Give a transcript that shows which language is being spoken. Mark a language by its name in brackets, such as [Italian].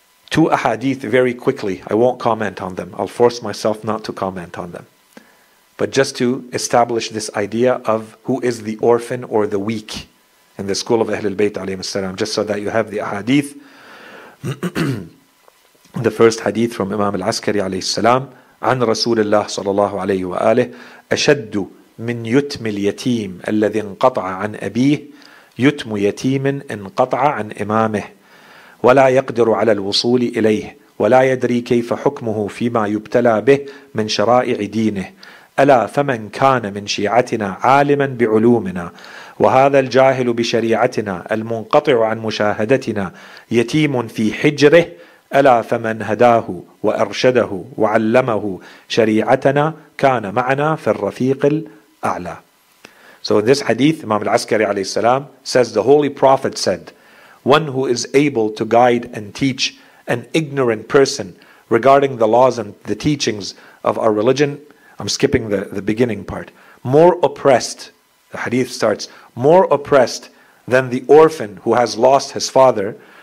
[English] Two ahadith very quickly. I won't comment on them. I'll force myself not to comment on them. But just to establish this idea of who is the orphan or the weak in the school of Ahlul Bayt, alayhi salam, just so that you have the ahadith. The first hadith from Imam Al-Askari, alayhi salam, [Arabic] عن رسول الله صلى الله عليه وآله أشد من يتم اليتيم الذي انقطع عن أبيه يتم يتيم انقطع عن إمامه ولا يقدر على الوصول إليه ولا يدري كيف حكمه فيما يبتلى به من شرائع دينه ألا فمن كان من شيعتنا عالما بعلومنا وهذا الجاهل بشريعتنا المنقطع عن مشاهدتنا يتيم في حجره ألا فمن هداه وأرشده وعلمه شريعتنا كان معنا في الرفيق الأعلى. [English] So in this hadith, Imam Al-Askari alayhi salam says, the Holy Prophet said, one who is able to guide and teach an ignorant person regarding the laws and the teachings of our religion, I'm skipping the beginning part, more oppressed, the hadith starts, more oppressed than the orphan who has lost his father,